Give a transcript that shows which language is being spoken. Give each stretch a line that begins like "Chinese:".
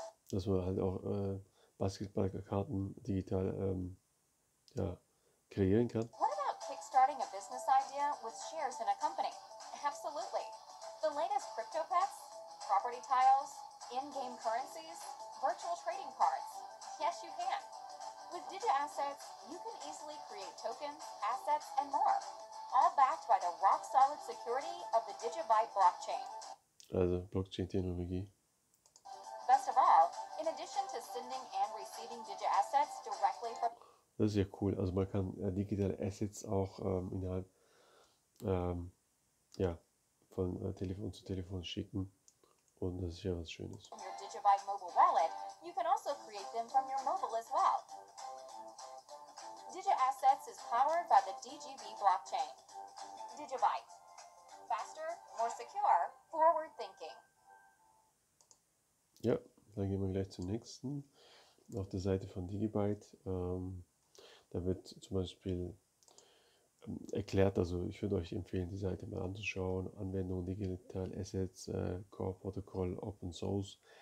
German: Dass man halt auch Basketballkarten digital ja, kreieren kann.
English: Kickstarting a business idea with shares in a company. Absolutely. The latest crypto pets, property tiles, in-game currencies, virtual trading cards. Yes, you can. With digital assets, you can easily create tokens, assets, and more. All backed by the rock-solid security of the Digibyte blockchain.
German: Also Blockchain-Technologie.
English: Best of all, in addition to sending and receiving digital assets directly from.
German: Das ist ja cool. Also man kann digitale Assets auch innerhalb ja, von Telefon zu Telefon schicken. Und das ist ja was Schönes.
English: Your Digibyte mobile wallet, you can also create them from your mobile as well. Digital assets is powered by the DGB blockchain. Digibyte. Faster, more secure, forward thinking.
German: Ja, dann gehen wir gleich zum nächsten. Auf der Seite von Digibyte. Da wird zum Beispiel erklärt, also ich würde euch empfehlen, die Seite mal anzuschauen.
English: Anwendung Digital Assets, Core Protocol, Open Source.